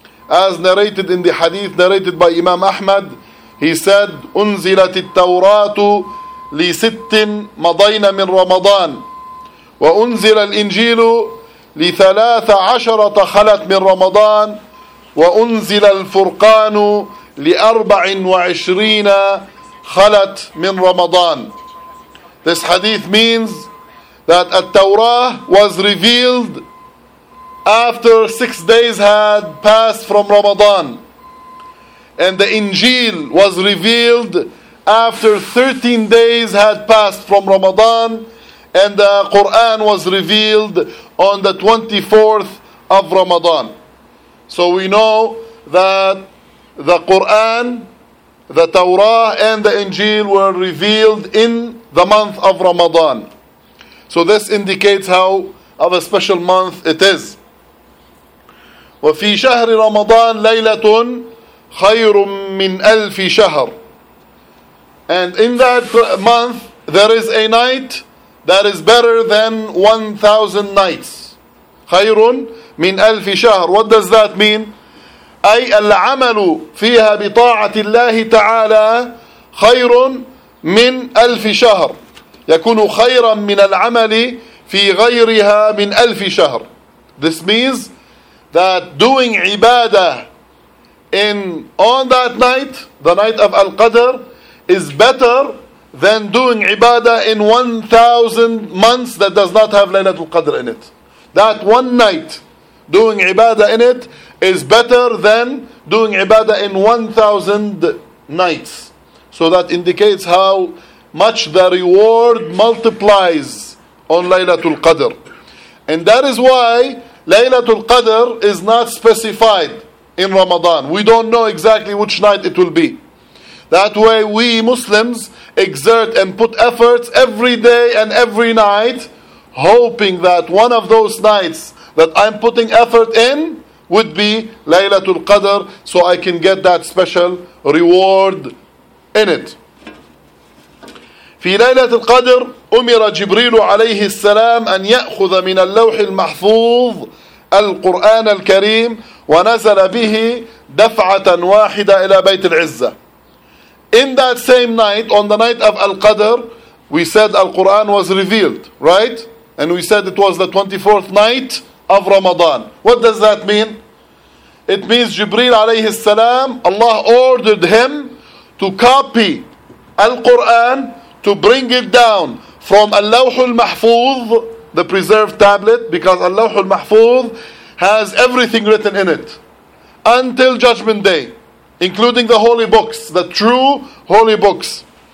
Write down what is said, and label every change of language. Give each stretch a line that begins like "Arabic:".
English: As narrated in the hadith narrated by Imam Ahmad, he said,
Arabic: أُنزِلَتِ التَّوْرَاتُ لِسِتٍ مَضَيْنَ مِنْ رَمَضَانِ وَأُنزِلَ الْإِنْجِيلُ لثلاث عشرة خلت من رمضان وأنزل الفرقان لأربع وعشرين خلت من رمضان.
English: This hadith means that At-Tawrah was revealed after 6 days had passed from Ramadan, and the Injil was revealed after 13 days had passed from Ramadan, and the Quran was revealed on the 24th of Ramadan. So we know that the Quran, the Torah, and the Injil were revealed in the month of Ramadan. So this indicates how of a special month it is.
Arabic: وفي شهر رمضان ليلة خير من ألف شهر.
English: And in that month there is a night that is better than 1,000 nights.
Arabic: خير من ألف شهر.
English: What does that mean?
Arabic: أي العمل فيها بطاعة الله تعالى خير من 1000 شهر، يكون خيرا من العمل في غيرها من 1000 شهر.
English: This means that doing ibadah in on that night, the night of Al-Qadr, is better than doing ibadah in 1,000 months that does not have Laylatul Qadr in it. That one night, doing ibadah in it, is better than doing ibadah in 1,000 nights. So that indicates how much the reward multiplies on Laylatul Qadr. And that is why Laylatul Qadr is not specified in Ramadan. We don't know exactly which night it will be. That way we Muslims exert and put efforts every day and every night, hoping that one of those nights that I'm putting effort in would be Laylatul Qadr, so I can get that special reward in it.
Arabic: في ليلة القدر أمر جبريل عليه السلام أن يأخذ من اللوح المحفوظ القرآن الكريم ونزل به دفعة واحدة إلى بيت العزة.
English: In that same night, on the night of Al-Qadr, we said Al-Quran was revealed, right? And we said it was the 24th night of Ramadan. What does that mean? It means Jibreel عليه السلام, Allah ordered him to copy Al-Quran, to bring it down from Al-Lawh al-Mahfuz, the preserved tablet, because Al-Lawh al-Mahfuz has everything written in it until Judgment Day, including the holy books, the true holy books.